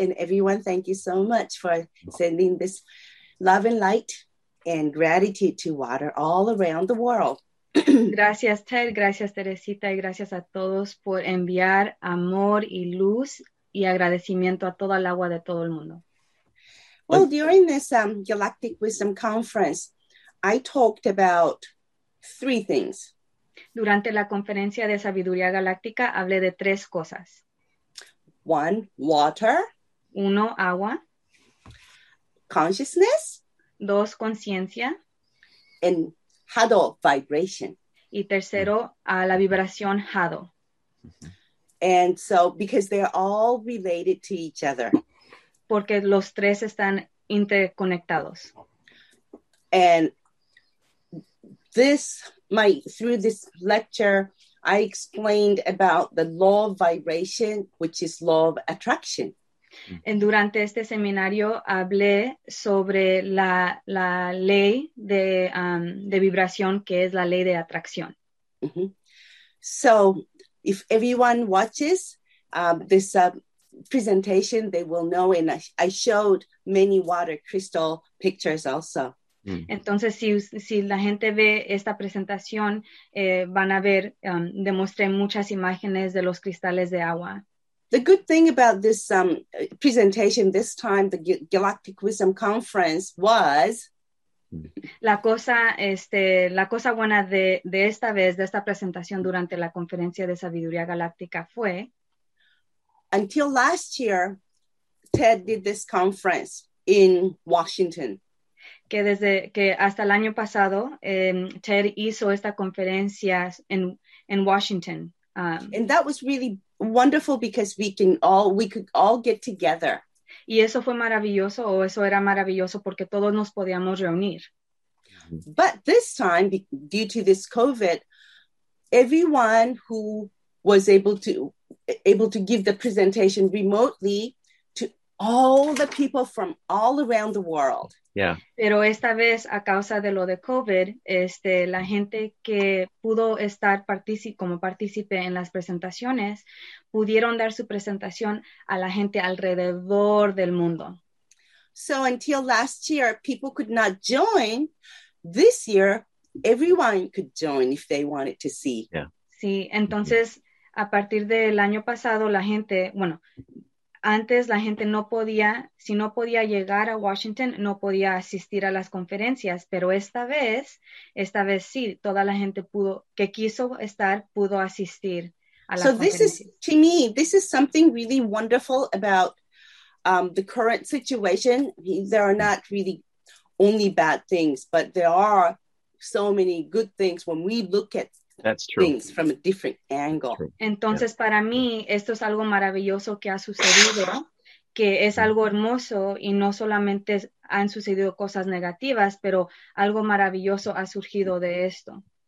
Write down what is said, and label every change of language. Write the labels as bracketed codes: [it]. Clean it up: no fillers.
[en] And everyone, thank you so much for sending this love and light and gratitude to water all around the world. [es] Gracias, Ted. Gracias, Teresita. Y gracias a todos por enviar amor y luz y agradecimiento a toda el agua de todo el mundo. [en] Well, during this Galactic Wisdom Conference, I talked about three things. [es] Durante la conferencia de sabiduría galáctica, hablé de tres cosas. [en] One, water. [es] Uno, agua. [en] Consciousness. [es] Dos, conciencia. [en] And Hado, vibration. [es] Y tercero, la vibración Hado. [en] And so, because they're all related to each other. [es] Porque los tres están interconectados. [en] And this, my, through this lecture, I explained about the law of vibration, which is law of attraction. [es] And durante este seminario hablé sobre la ley de vibración que es la ley de atracción. [en] So if everyone watches this presentation, they will know, and I showed many water crystal pictures also. [es] Entonces si la gente ve esta presentación van a ver demostré muchas imágenes de los cristales de agua. [en] The good thing about this presentation this time, the Galactic Wisdom Conference, was [es] la cosa buena de esta vez, de esta presentación durante la conferencia de sabiduría galáctica fue [en] until last year Ted did this conference in Washington. [es] Que desde que hasta el año pasado Ted hizo esta conferencia en Washington. [en] And that was really wonderful because we could all get together. [es] Y eso fue maravilloso, o eso era maravilloso porque todos nos podíamos reunir. [en] But this time, due to this COVID, everyone who was able to give the presentation remotely to all the people from all around the world. Yeah. [es] Pero esta vez, a causa de lo de COVID, la gente que pudo estar como partícipe en las presentaciones, pudieron dar su presentación a la gente alrededor del mundo. [en] So until last year, people could not join. This year, everyone could join if they wanted to see. Yeah. [es] Sí, entonces, a partir del año pasado, la gente, bueno, antes la gente no podía, si no podía llegar a Washington, no podía asistir a las conferencias, pero esta vez sí, toda la gente pudo, que quiso estar, pudo asistir a las conferencias. [en] So this is, to me, this is something really wonderful about the current situation. There are not really only bad things, but there are so many good things when we look at That's true. Things from a different angle. [es] Entonces, yeah. Para mí, esto es algo maravilloso que ha sucedido, que es algo hermoso, y no solamente han sucedido cosas negativas, pero algo maravilloso ha surgido de esto.